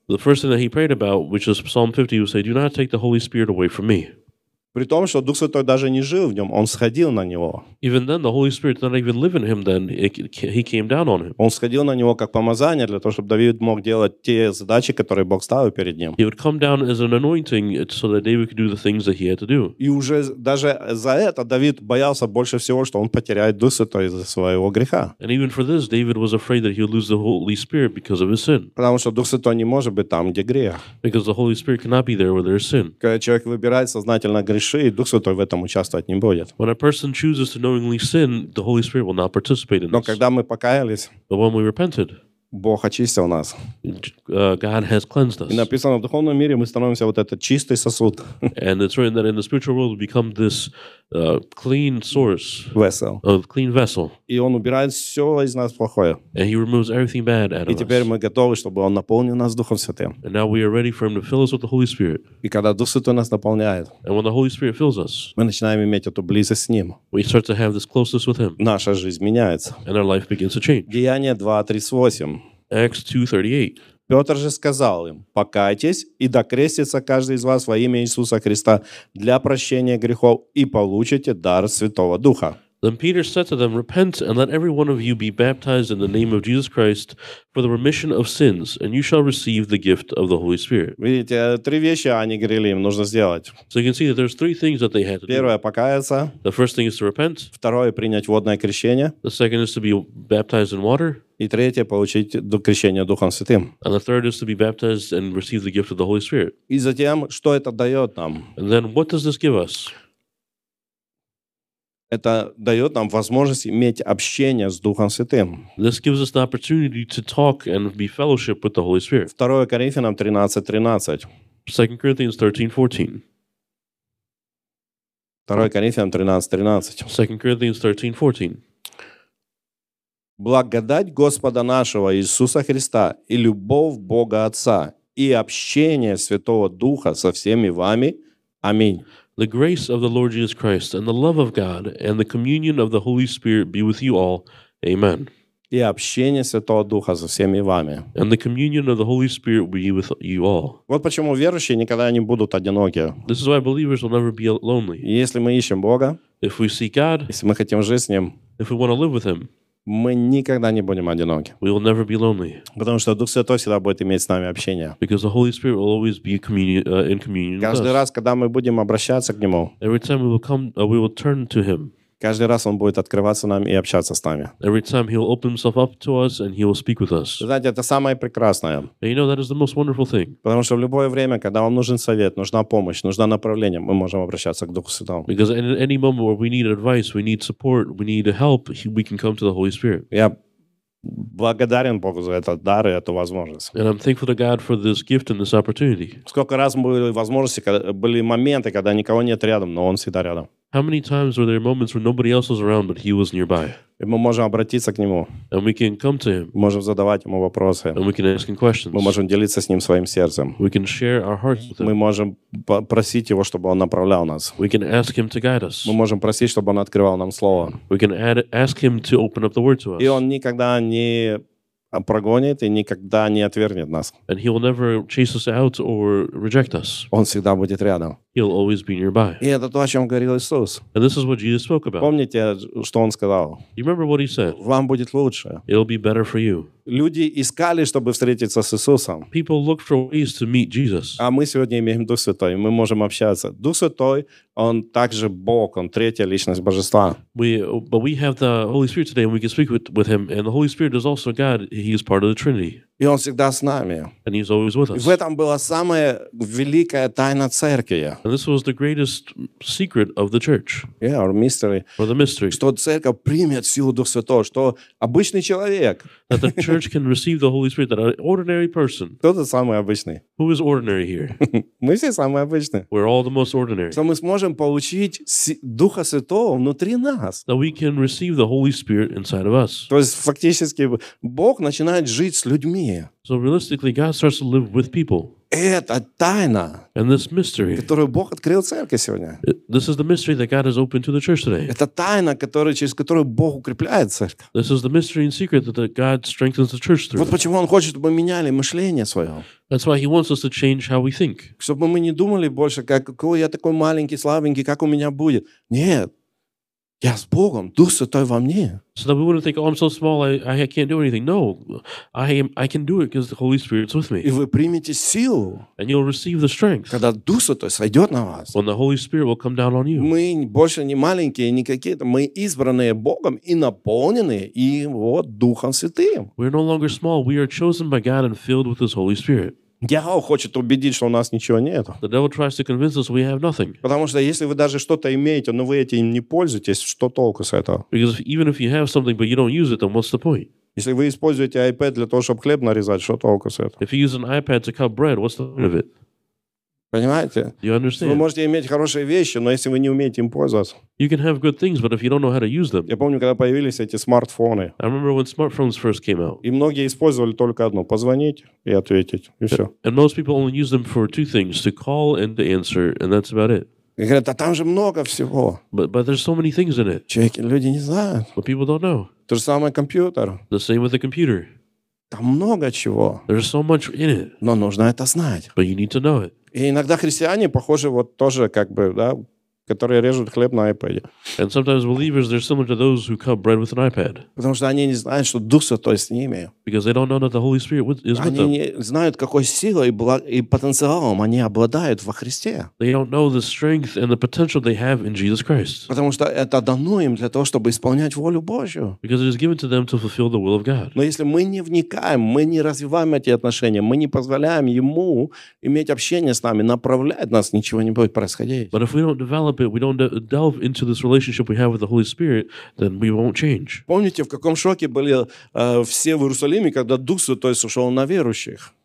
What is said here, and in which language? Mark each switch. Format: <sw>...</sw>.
<en>The first thing that he prayed about, which was Psalm 50, he would say, do not take the Holy Spirit away from me.</en> <ru>При том, что Дух Святой даже не жил в нем, он сходил на него.</ru> <en>Even then, the Holy Spirit did not even live in him then, he came down on him.</en> <ru>Он сходил на него как помазание, для того, чтобы Давид мог делать те задачи, которые Бог ставил перед ним.</ru> <en>He would come down as an anointing so that David could do the things that he had to do.</en> <ru>И уже даже за это Давид боялся больше всего, что он потеряет Дух Святой из-за своего греха.</ru> <en>And even for this, David was afraid that he would lose the Holy Spirit because of his sin.</en> <ru>Потому что Дух Святой не может быть там, где грех.</ru> <en>Because the Holy Spirit cannot be there where there is sin.</en> <ru>Когда человек выбирает сознательно грех, и Дух Святой в этом участвовать не будет.</ru> <en>When a person chooses to knowingly sin, the Holy Spirit will not participate in this.</en> <ru>Но когда мы покаялись,</ru> <en>but when we repented,</en> <ru>Бог очистил нас.</ru> <en>God has cleansed us.</en> <ru>И написано, в духовном мире мы становимся вот этот чистый сосуд.</ru> <en>And it's written that in the spiritual world we become this clean source. Vessel. A clean vessel.</en> <ru>И Он убирает все из нас плохое.</ru> <en>And He removes everything bad out of</en> <ru>us. И теперь мы готовы, чтобы Он наполнил нас Духом Святым.</ru> <en>And now we are ready for Him to fill us with the Holy Spirit.</en> <ru>И когда Дух Святой нас наполняет,</ru> <en>and when the Holy Spirit fills us,</en> <ru>мы начинаем иметь эту близость с Ним.</ru> <en>We start to have this closeness with Him.</en> <ru>Наша жизнь меняется.</ru> <en>And our life begins to change.</en> <ru>Деяния 2:38.</ru> <en>Acts 2:38.</en> <ru>Петр же сказал им, покайтесь и докрестится каждый из вас во имя Иисуса Христа для прощения грехов и получите дар Святого Духа.</ru> <en>Then Peter said to them, repent and let every one of you be baptized in the name of Jesus Christ for the remission of sins, and you shall receive the gift of the Holy Spirit.</en> <ru>Видите, три вещи они говорили им нужно сделать.</ru> <en>So you can see that there's three things that they had to</en> <ru>первое,</ru> <en>do.</en> <ru>Первое, покаяться.</ru> <en>The first thing is to repent.</en> <ru>Второе, принять водное крещение.</ru> <en>The second is to be baptized in water.</en> <ru>И третье, получить крещение Духом Святым.</ru> <en>And the third is to be baptized and receive the gift of the Holy Spirit.</en> <ru>И затем, что это дает нам?</ru> <en>And then, what does this give us?</en> <ru>Это дает нам возможность иметь общение с Духом Святым.</ru> <en>This gives us the opportunity to talk and be fellowship with the Holy Spirit.</en> <ru>2 Коринфянам 13:13.</ru> <en>2 Corinthians 13:14.</en> <ru>2 Коринфянам 13:13.</ru> <en>2 Corinthians 13:14.</en> <ru>Благодать Господа нашего Иисуса Христа и любовь Бога Отца и общение Святого Духа со всеми вами. Аминь.</ru> <en>The grace of the Lord Jesus Christ and the love of God and the communion of the Holy Spirit be with you all. Amen.</en> <ru>И общение Святого Духа со всеми вами.</ru> <en>And the communion of the Holy Spirit be with you all.</en> <ru>Вот почему верующие никогда не будут одиноки.</ru> <en>This is why believers will never be lonely.</en> <ru>Если мы ищем Бога,</ru> <en>if we seek God,</en> <ru>если мы хотим жить с Ним,</ru> <en>if we want to live with Him,</en> <ru>мы никогда не будем одиноки.</ru> <en>We will never be lonely.</en> <ru>Потому что Дух Святой всегда будет иметь с нами общение.</ru> <en>Because the Holy Spirit will always be in communion with us.</en> <ru>Каждый раз, когда мы будем обращаться к Нему,</ru> <en>every time we will turn to Him.</en> <ru>Каждый раз Он будет открываться нам и общаться с нами.</ru> <en>Every time He will open Himself up to us and He will speak with us.</en> <ru>Знаете, это самое прекрасное.</ru> <en>And you know, that is the most wonderful thing.</en> <ru>Потому что в любое время, когда вам нужен совет, нужна помощь, нужна направление, мы можем обращаться к Духу Святому.</ru> <en>Because in any moment where we need advice, we need support, we need help, we can come to the Holy Spirit.</en> <ru>Я благодарен Богу за этот дар и эту возможность.</ru> <en>And I'm thankful to God for this gift and this opportunity.</en> <ru>Сколько раз были возможности, были моменты, когда никого нет рядом, но Он всегда рядом.</ru> <en>How many times were there moments where nobody else was around, but He was nearby?</en> <ru>И мы можем обратиться к Нему.</ru> <en>And we can come to Him.</en> <ru>Можем задавать Ему вопросы.</ru> <en>And we can ask Him questions.</en> <ru>Мы можем делиться с Ним своим сердцем.</ru> <en>We can share our hearts with Him.</en> <ru>Мы можем просить Его, чтобы Он направлял нас.</ru> <en>We can ask Him to guide us.</en> <ru>Мы можем просить, чтобы Он открывал нам Слово.</ru> <en>We can ask Him to open up the Word to us.</en> <ru>И Он никогда не прогонит и никогда не отвергнет нас.</ru> <en>And He will never chase us out or reject us.</en> <ru>Он всегда будет рядом.</ru> <en>He'll always be nearby.</en> <ru>И это то, о чем говорил Иисус.</ru> <en>And this is what Jesus spoke about.</en> <ru>Помните, что Он сказал?</ru> <en>You remember what He said?</en> <ru>Вам будет лучше.</ru> <en>It'll be better for you.</en> <ru>Люди искали, чтобы встретиться с Иисусом.</ru> <en>People look for ways to meet Jesus.</en> <ru>А мы сегодня имеем Дух Святой, мы можем общаться. Дух Святой, Он также Бог, Он третья личность Божества.</ru> <en>But we have the Holy Spirit today, and we can speak with Him. And the Holy Spirit is also God. He is part of the Trinity.</en> <ru>И он всегда с нами.</ru> <en>And he's always with us.</en> <ru>В этом была самая великая тайна церкви.</ru> <en>And this was the greatest secret of the church. Yeah, or mystery. Or the mystery.</en> <ru>Что церковь примет силу Духа Святого, что обычный человек.</ru> <en>That the church can receive the Holy Spirit, that an ordinary person.</en> <ru>Кто-то самый обычный.</ru> <en>Who is ordinary here?</en> <ru>Мы все самые обычные.</ru> <en>We're all the most ordinary.</en> <ru>Что мы сможем получить Духа Святого внутри нас.</ru> <en>That we can receive the Holy Spirit inside of us.</en> <ru>То есть фактически Бог начинает жить с людьми.</ru> <en>So realistically, God starts to live with people.</en> <ru>Это тайна,</ru> <en>and this mystery,</en> <ru>которую Бог открыл церкви сегодня.</ru> <en>This is the mystery that God has opened to the church today.</en> <ru>Это тайна, которая, через которую Бог укрепляет церковь.</ru> <en>This is the mystery and secret that God strengthens the church through.</en> <ru>Вот почему Он хочет, чтобы мы меняли мышление свое.</ru> <en>That's why He wants us to change how we think.</en> <ru>Чтобы мы не думали больше, какой я такой маленький, слабенький, как у меня будет. Нет. Я с Богом, Дух Святой во мне.</ru> <en>So that we wouldn't think, oh, I'm so small, I can't do anything. No, I can do it because the Holy Spirit's with me.</en> <ru>И вы примете силу.</ru> <en>And you'll receive the strength.</en> <ru>Когда Дух Святой сойдет на вас.</ru> <en>When the Holy Spirit will come down on you.</en> <ru>Мы больше не маленькие, не какие-то. Мы избранные Богом и наполненные и вот Духом Святым.</ru> <en>We're no longer small. We are chosen by God and filled with His Holy Spirit.</en> <ru>Дьявол хочет убедить, что у нас ничего нет.</ru> <en>The devil tries to convince us we have nothing.</en> <ru>Потому что если вы даже что-то имеете, но вы этим не пользуетесь, что толку с этого?</ru> <en>Because if, even if you have something, but you don't use it, then what's the point?</en> <ru>Если вы используете iPad для того, чтобы хлеб нарезать, что толку с этого?</ru> <en>If you use an iPad to cut bread, what's the point of it?</en> <ru>Понимаете?</ru> <en>You understand?</en> <ru>Вы можете иметь хорошие вещи, но если вы не умеете им пользоваться.</ru> <en>You can have good things, but if you don't know how to use them.</en> <ru>Я помню, когда появились эти смартфоны.</ru> <en>I remember when smartphones first came out.</en> <ru>И многие использовали только одно: позвонить и ответить, и все.</ru> <en>And most people only use them for two things: to call and to answer, and that's about it.</en> <ru>И говорят, а там же много всего.</ru> <en>But there's so many things in it.</en> <ru>Человеки, люди не знают.</ru> <en>But people don't know.</en> <ru>То же самое компьютер.</ru> <en>The same with the computer.</en> <ru>Там много чего.</ru> <en>There's so much in it.</en> <ru>Но нужно это знать.</ru> <en>But you need to know it.</en> <ru>И иногда христиане похожи вот тоже как бы, да, которые режут хлеб на iPad.</ru> <en>And sometimes believers they're similar to those who cut bread with an iPad.</en> <ru>Потому что они не знают, что Дух Святой с ними.</ru> <en>Because they don't know that the Holy Spirit is with them.</en> <ru>Они не знают, какой силой и потенциалом они обладают во Христе.</ru> <en>They don't know the strength and the potential they have in Jesus Christ.</en> <ru>Потому что это дано им для того, чтобы исполнять волю Божью.</ru> <en>Because it is given to them to fulfill the will of God.</en> <ru>Но если мы не вникаем, мы не развиваем эти отношения, мы не позволяем Ему иметь общение с нами, направлять нас, ничего не будет происходить.</ru> <en>But if we don't develop it, we don't delve into this relationship we have with the Holy Spirit, then we won't change.</en> <ru>Помните, в каком шоке были все в Иерусалиме, когда Дух Святой сошел на верующих?</ru>